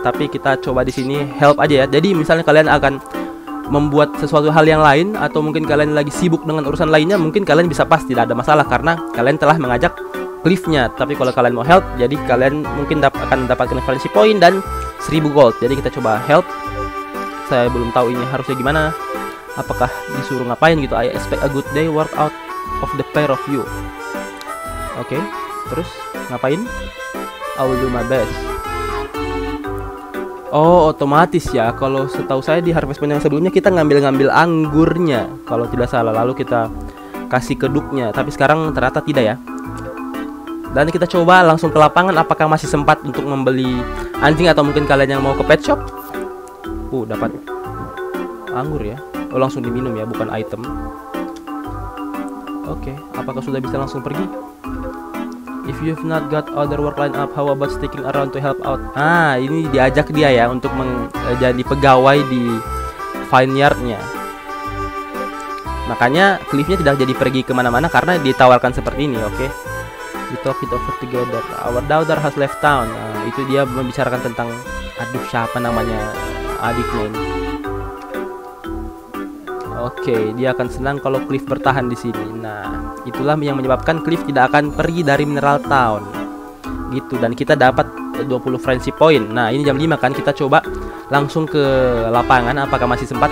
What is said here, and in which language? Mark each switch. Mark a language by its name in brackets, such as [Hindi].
[Indonesian] Tapi kita coba di sini help aja ya. Jadi misalnya kalian akan membuat sesuatu hal yang lain, atau mungkin kalian lagi sibuk dengan urusan lainnya, mungkin kalian bisa pas, tidak ada masalah karena kalian telah mengajak Cliffnya. Tapi kalau kalian mau help, jadi kalian mungkin akan mendapatkan currency point dan 1000 gold. Jadi kita coba help. Saya belum tahu ini harusnya gimana. Apakah disuruh ngapain gitu? [English] I expect a good day work out of the pair of you. [Indonesian] Oke, terus ngapain? [English] I will do my best. [Indonesian] Oh, otomatis ya. Kalau setahu saya di harvest point yang sebelumnya kita ngambil-ngambil anggurnya, kalau tidak salah, lalu kita kasih ke duknya. Tapi sekarang ternyata tidak ya. Dan kita coba langsung ke lapangan, apakah masih sempat untuk membeli anjing, atau mungkin kalian yang mau ke pet shop. Dapat anggur ya. Oh, langsung diminum ya, bukan item. Oke, apakah sudah bisa langsung pergi? [English] If you've not got other work line up, how about sticking around to help out? [Indonesian] Ah, ini diajak dia ya untuk menjadi pegawai di vineyardnya. Makanya Cliffnya tidak jadi pergi kemana-mana karena ditawarkan seperti ini. [English] Oke, we talk it over together. Our daughter has left town. [Indonesian] Nah, itu dia membicarakan tentang, aduh, siapa namanya adiknya ini. Oke, dia akan senang kalau Cliff bertahan di sini. Nah, itulah yang menyebabkan Cliff tidak akan pergi dari Mineral Town. Gitu, dan kita dapat 20 friendship point. Nah, ini jam 5 kan, kita coba langsung ke lapangan apakah masih sempat.